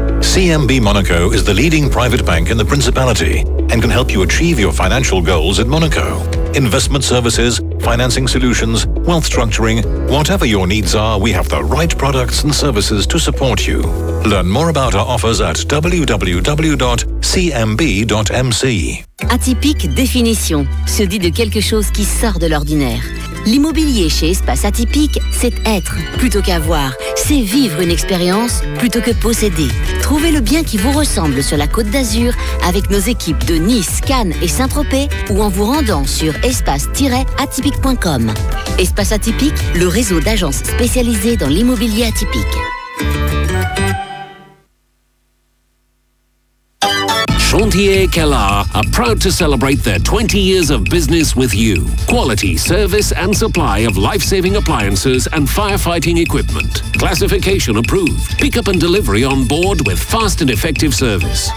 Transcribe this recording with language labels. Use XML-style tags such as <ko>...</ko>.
<en>CMB Monaco is the leading private bank in the Principality and can help you achieve your financial goals in Monaco. Investment services, financing solutions, wealth structuring, whatever your needs are, we have the right products and services to support you. Learn more about our offers at www.cmb.mc.</en> <fr>Atypique définition, se dit de quelque chose qui sort de l'ordinaire. L'immobilier chez Espace Atypique, c'est être plutôt qu'avoir. C'est vivre une expérience plutôt que posséder. Trouvez le bien qui vous ressemble sur la Côte d'Azur avec nos équipes de Nice, Cannes et Saint-Tropez ou en vous rendant sur espace-atypique.com. Espace Atypique, le réseau d'agences spécialisées dans l'immobilier atypique.</fr> <en>Chantier Kellar are proud to celebrate their 20 years of business with you. Quality service and supply of life-saving appliances and firefighting equipment. Classification approved. Pickup and delivery on board with fast and effective service.</en>